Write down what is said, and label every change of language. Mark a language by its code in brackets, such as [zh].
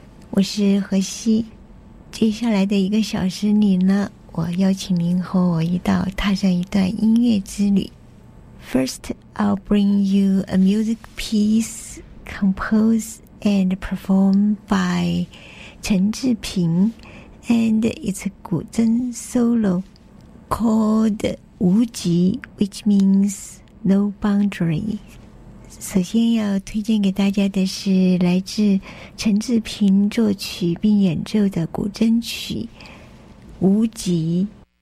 [zh] 我是何西，接下来的一个小时里呢，我邀请您和我一道踏上一段音乐之旅。 [en] First, I'll bring you a music piece composed and performed by 陈志平 and it's a 古筝 solo called 无极 which means no boundary。 [zh] 首先要推荐给大家的是来自陈志平作曲并演奏的古筝曲《无极》。